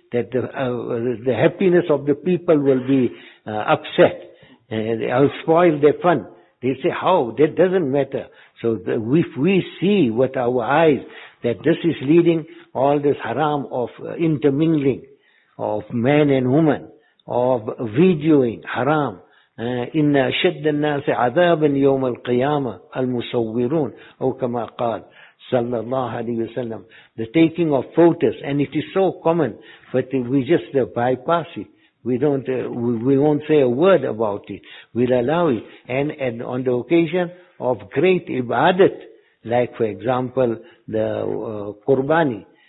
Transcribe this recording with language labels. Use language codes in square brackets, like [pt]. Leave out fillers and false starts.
[en] That the happiness of the people will be upset, and I'll spoil their fun. They say, how? That doesn't matter. So if we see with our eyes that this is leading all this haram of intermingling of man and woman, of videoing, haram. [ar] إِنَّ شَدَّ النَّاسِ عَذَابًا يَوْمَ الْقِيَامَةِ الْمُصَوِّرُونَ أو كَمَا قَالَ sallallahu alayhi wa sallam. [en] The taking of photos, and it is so common, but we just bypass it. We won't say a word about it. We'll allow it. And on the occasion of great ibadat, like for example, the qurbani.